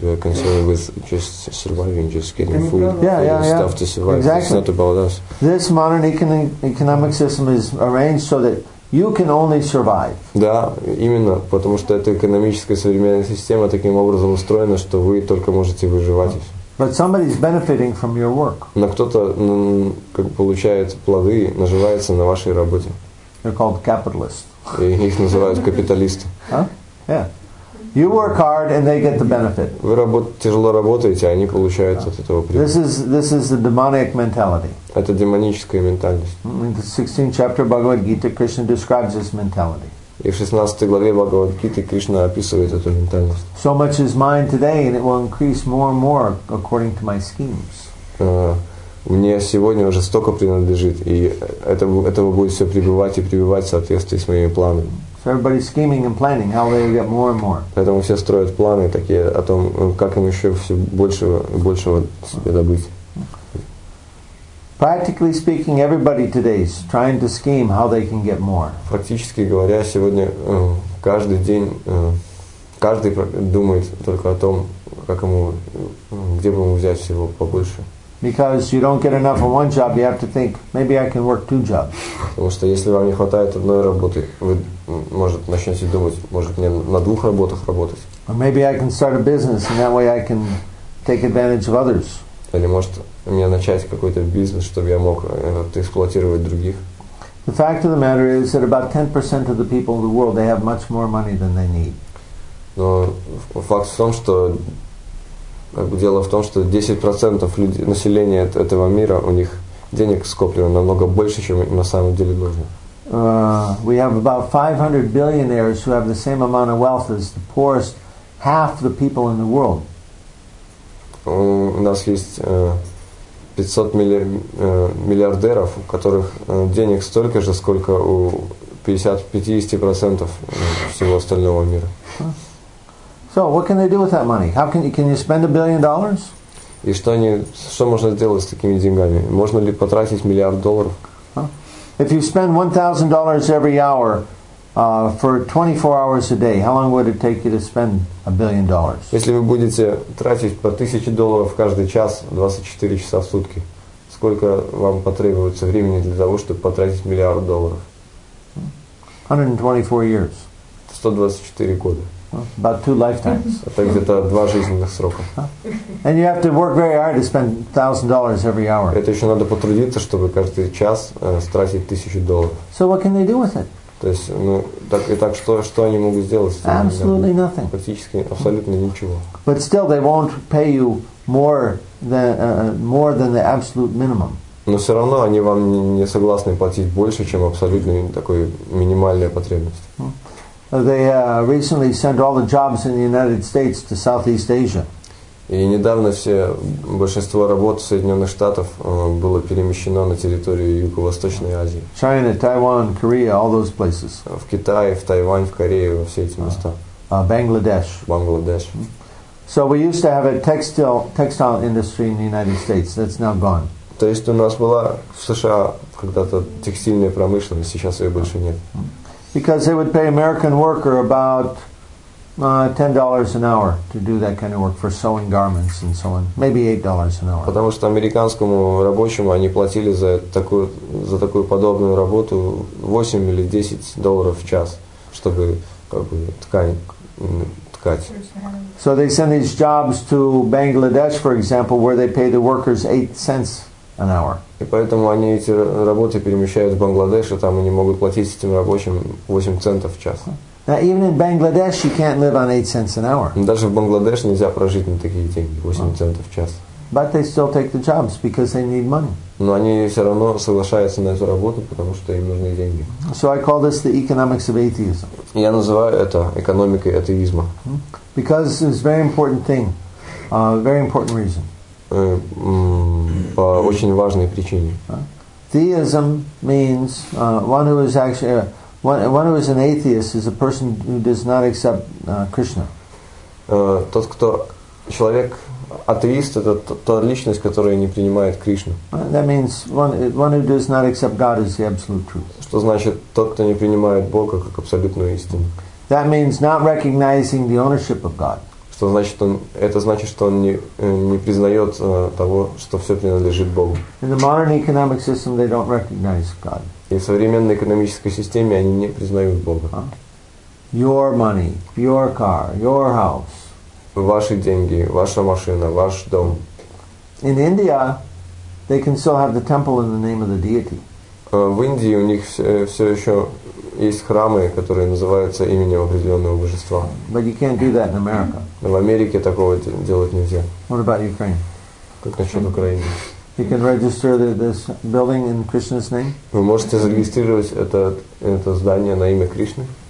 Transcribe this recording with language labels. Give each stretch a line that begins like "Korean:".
English: We're concerned with just surviving, just getting food, stuff to survive. Exactly. It's not about us. This modern economic system is arranged so that you can only survive.
Russian: Да, именно, потому что эта экономическая современная система таким образом устроена, что вы только можете выживать.
English: But somebody is benefiting from your work.
Russian: Но кто-то получает плоды, наживается на вашей работе.
English: They're called capitalists.
Russian: И их называют капиталисты.
English: Yeah. You work hard and they get the benefit.
Russian: Вы тяжело работаете, а они получают от этого прибыль.
English: This is the demonic mentality.
Russian: Это демоническая ментальность.
English: In the 16th chapter of Bhagavad Gita, Krishna describes this mentality.
Russian: И в 16 главе Бхагавад Гиты Кришна описывает эту ментальность.
English: So much is mine today and it will increase more and more according to my schemes.
Russian: Мне сегодня уже столько принадлежит, и этого будет все прибывать и прибывать в соответствии с моими планами.
English: So everybody's scheming and planning how they get more and more.
Russian: Поэтому все строят планы такие о том, как им еще все большего и большего себе добыть.
English: Practically speaking, everybody today is trying to scheme how they can get more.
Russian: Практически говоря, сегодня каждый день, каждый думает только о том, как ему, где бы ему взять всего побольше.
English: Because you don't get enough in one job, you have to think, maybe I can work two jobs.
Russian: Потому что если вам не хватает одной работы, вы может начнете думать, может мне на двух работах работать.
English: Or maybe I can start a business, and that way I can take advantage of others.
Russian: Или может мне начать какой-то бизнес, чтобы я мог эксплуатировать других.
English: The fact of the matter is that about 10% of the people in the world, they have much more money than they need.
Russian: Но факт в том, что как бы дело в том, что 10% людей, населения этого мира, у них денег скоплено намного больше, чем на самом деле нужно.
English: We have about 500 billionaires who have the same amount of wealth as the poorest half the people in the world.
Russian: У нас есть 500 миллиардеров, у которых денег столько же, сколько у 50% всего остального мира.
English: So, what can they do with that money? Can you spend $1 billion?
Russian: И что можно сделать с такими деньгами? Можно ли потратить миллиард долларов?
English: If you spend $1,000 every hour for 24 hours a day, how long would it take you to spend $1 billion?
Russian: Если вы будете тратить по $1,000 каждый час 24 часа в сутки, сколько вам потребуется времени для того, чтобы потратить миллиард долларов?
English: 124 years.
Russian: 124 года.
English: About two lifetimes.
Russian: Это где-то два жизненных срока.
English: And you have to work very hard to spend $1,000 every hour.
Russian: Это еще надо потрудиться, чтобы каждый час тратить $1,000.
English: So what can they do with it?
Russian: То есть, ну, так и так, что они могут сделать?
English: Absolutely nothing.
Russian: Практически абсолютно ничего.
English: But still, they won't pay you more than the absolute minimum.
Russian: Но все равно они вам не согласны платить больше, чем абсолютно такой минимальная потребность.
English: They recently sent all the jobs in the United States to Southeast Asia.
Russian: И недавно большинство работ Соединенных Штатов было перемещено на территорию Юго-Восточной Азии.
English: China, Taiwan, Korea, all those places.
Russian: В Китае, в Тайвань, в Корее, во все эти места.
English: Bangladesh. So we used to have a textile industry in the United States. That's now gone.
Russian: То есть у нас была в США когда-то текстильная промышленность, сейчас ее больше нет.
English: Because they would pay American worker about $10 an hour to do that kind of work for sewing garments and so on, maybe $8 an hour.
Russian: Потому что американскому рабочему они платили за такую подобную работу $8
English: or
Russian: $10 в час, чтобы как бы ткать.
English: So they send these jobs to Bangladesh, for example, where they pay the workers 8 cents. An hour.
Russian: И поэтому они эти работы перемещают в Бангладеш, и там они могут платить этим рабочим 8 центов в час.
English: Now, even in Bangladesh, you can't live on 8 cents an hour.
Russian: Даже в Бангладеш нельзя прожить на такие деньги, 8 центов в час.
English: But they still take the jobs because they need money.
Russian: Но они все равно соглашаются на эту работу, потому что им нужны деньги.
English: So I call this the economics of atheism.
Russian: Я называю это экономикой атеизма.
English: Because it's a very important thing, a very important reason.
Russian: По очень важной причине.
English: Theism means one who is actually one who is an atheist is a person who does not accept Krishna.
Russian: Тот, кто человек атеист, это та личность, которая не принимает Кришну.
English: That means one who does not accept God is the absolute truth.
Russian: Что значит тот, кто не принимает Бога как абсолютную истину?
English: That means not recognizing the ownership of God.
Russian: Что значит он? Это значит, что он не признает того, что все принадлежит Богу.
English: In the modern economic system, they don't recognize God.
Russian: И в современной экономической системе они не признают Бога.
English: Your money, your car, your house.
Russian: Ваши деньги, ваша машина, ваш дом.
English: In India, they can still have the temple in the name of the deity.
Russian: В Индии у них все еще есть храмы, которые называются именем определенного божества.
English: But you can't do that in America.
Russian: В Америке такого делать нельзя.
English: What about Ukraine?
Russian: Как насчет Украины?
English: You can register this building in Krishna's name?
Russian: Вы можете зарегистрировать это здание на имя Кришны?